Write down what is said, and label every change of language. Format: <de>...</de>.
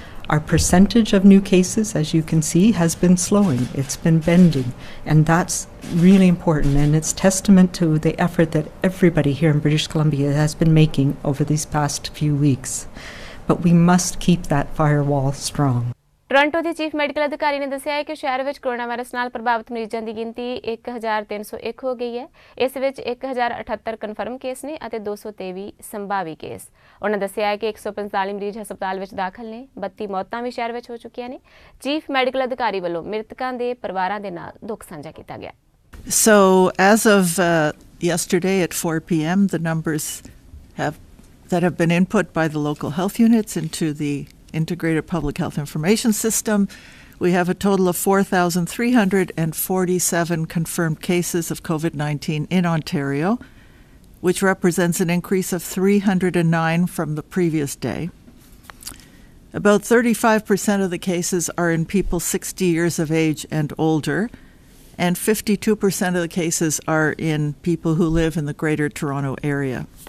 <en>Our percentage of new cases, as you can see, has been slowing. It's been bending. And that's really important. And it's testament to the effort that everybody here in British Columbia has been making over these past few weeks. But we must keep that firewall strong.</en> <pa>Toronto ਦੇ chief medical ਅਧਿਕਾਰੀ ਨੇ ਦੱਸਿਆ ਹੈ ਕਿ ਸ਼ਹਿਰ ਵਿੱਚ corona virus ਨਾਲ ਪ੍ਰਭਾਵਿਤ ਮਰੀਜ਼ਾਂ ਦੀ ਗਿਣਤੀ 1301 ਹੋ ਗਈ ਹੈ। ਇਸ ਵਿੱਚ 1078 ਕਨਫਰਮ ਕੇਸ ਨੇ ਅਤੇ 223 ਸੰਭਾਵੀ ਕੇਸ। ਉਨ੍ਹਾਂ ਦੱਸਿਆ ਹੈ ਕਿ 145 ਮਰੀਜ਼ ਹਸਪਤਾਲ ਵਿੱਚ ਦਾਖਲ ਨੇ, 32 ਮੌਤਾਂ ਵੀ ਸ਼ਹਿਰ ਵਿੱਚ ਹੋ ਚੁੱਕੀਆਂ ਨੇ। ਚੀਫ ਮੈਡੀਕਲ ਅਧਿਕਾਰੀ ਵੱਲੋਂ ਮ੍ਰਿਤਕਾਂ ਦੇ ਪਰਿਵਾਰਾਂ ਦੇ ਨਾਲ ਦੁੱਖ ਸਾਂਝਾ ਕੀਤਾ ਗਿਆ।</pa> <en>So as of yesterday at 4 PM the numbers have been input by the local health units into the Integrated Public Health Information System. We have a total of 4,347 confirmed cases of COVID-19 in Ontario, which represents an increase of 309 from the previous day. About 35% of the cases are in people 60 years of age and older, and 52% of the cases are in people who live in the Greater Toronto Area.</en>